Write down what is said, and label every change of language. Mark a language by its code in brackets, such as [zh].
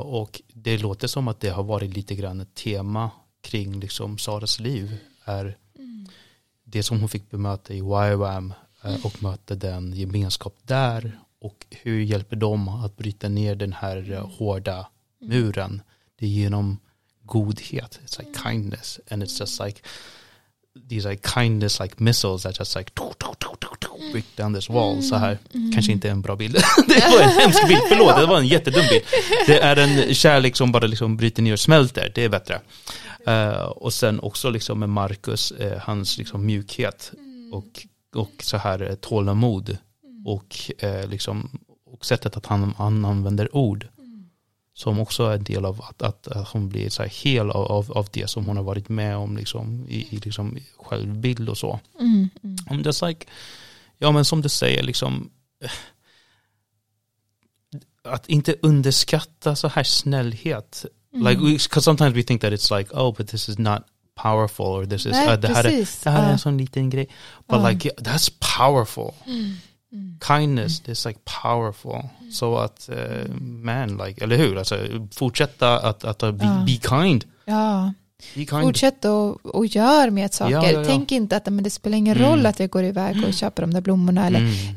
[sv] Och det låter som att det har varit lite grann ett tema kring liksom Saras liv. Är det som hon fick bemöta i YWAM och möta den gemenskap där. Och hur hjälper de att bryta ner den här hårda muren? Det är genom godhet. [en] It's like kindness. And it's just like these like kindness like missiles that just like break down this wall. [sv] Så här. Kanske inte en bra bild. Det var en hemsk bild. Förlåt, det var en jättedum bild. Det är en kärlek som bara liksom bryter ner och smälter. Det är bättre. Och sen också liksom med Marcus, hans liksom mjukhet och så här tålamod och liksom och sättet att han använder ord. som också är en del av att hon blir så här hel av det som hon har varit med om liksom, i liksom självbild och så. Mm. [en] Just like, [sv] ja, men som du säger liksom, att inte underskatta så här snällhet. Mm. [en] Like, because sometimes we think that it's like, oh, but this is not powerful, or this is [sv] det här är en sån liten grej, [en] but like, yeah, that's powerful. Mm. Kindness, mm, is like powerful. Mm. [sv] So att man, like, eller hur, alltså, fortsätta att [en] be kind. Ja. Be kind. [sv] Fortsätt och gör med saker. Ja. Tänk inte att men det spelar ingen roll att jag går iväg och köper de där blommorna eller. Mm.